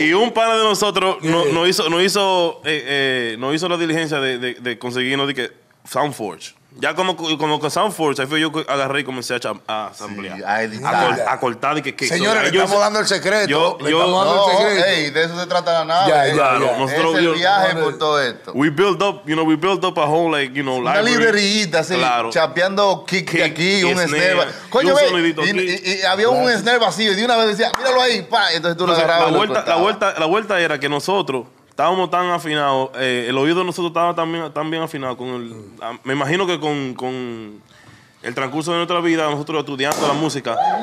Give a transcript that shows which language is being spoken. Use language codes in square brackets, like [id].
[es] Y un pana de nosotros no hizo la diligencia de conseguirnos de SoundForge. Ya como que SoundForge, ahí fue yo que agarré y comencé a asamblear. Sí, a cortar y que señores, le estamos dando el secreto. Hey, de eso se trata la nave. Nosotros, el viaje por todo esto. [en] We built up a whole, library. [es] Una librerita, así, claro. Chapeando kick aquí, y un snare. Coño, ve, y había un snare vacío y de una vez decía, míralo ahí, pa. Entonces tú lo agarrabas. La vuelta era que nosotros... Estábamos tan afinados, el oído de nosotros estaba tan bien afinado. Me imagino que con el transcurso de nuestra vida, nosotros estudiando la música.